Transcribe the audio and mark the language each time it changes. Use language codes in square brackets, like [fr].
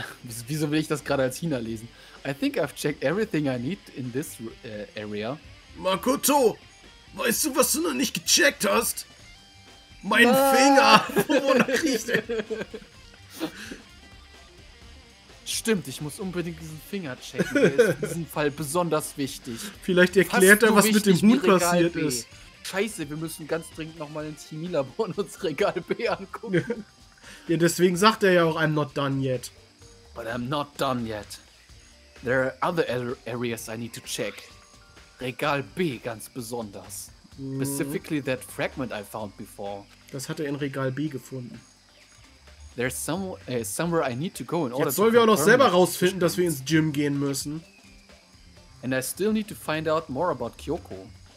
[de] Wieso will ich das gerade als Hina lesen? [en] I think I've checked everything I need in this area. [de] Makoto, weißt du, was du noch nicht gecheckt hast? Mein Finger! Wonach riecht der? Stimmt, ich muss unbedingt diesen Finger checken. Der ist in diesem Fall besonders wichtig. Vielleicht erklärt er, was mit dem Hut passiert ist. Scheiße, wir müssen ganz dringend nochmal ins Chemielabor und uns Regal B angucken. Ja, deswegen sagt er ja auch, [en] I'm not done yet. But I'm not done yet. There are other areas I need to check. [de] Regal B ganz besonders. [en] Specifically that fragment I found before. [de] Das hat er in Regal B gefunden. [en] There's somewhere I need to go in order. [de] Jetzt sollen wir auch noch selber rausfinden, dass wir ins Gym gehen müssen. [en] And I still need to find out more about Kyoko.